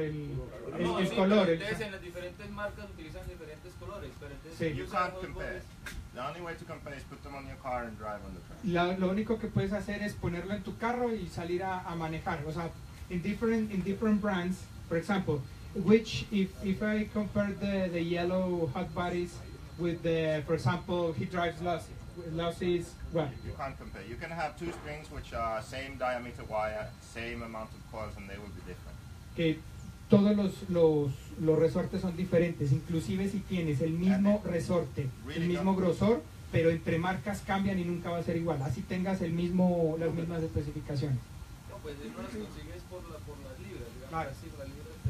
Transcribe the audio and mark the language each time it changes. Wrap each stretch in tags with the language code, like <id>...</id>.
<es>En las diferentes marcas utilizan diferentes colores, pero</es> <en>you can't compare. The only way to compare is put them on your car and drive on the track.</en> <es>Lo único que puedes hacer es ponerlo en tu carro y salir a manejar. O sea,</es> <en>in different brands, for example, which if I compare the yellow hot bodies with the, for example, he drives Lossy. You can't compare. You can have two springs which are same diameter wire, same amount of coils, and they will be different.</en> <es>Que todos los resortes son diferentes, inclusive si tienes el mismo resorte, el mismo grosor, pero entre marcas cambian y nunca va a ser igual. Así tengas el mismo, las mismas especificaciones. No, pues no las consigues por las libras, digamos. Claro. Así, las libras.</es>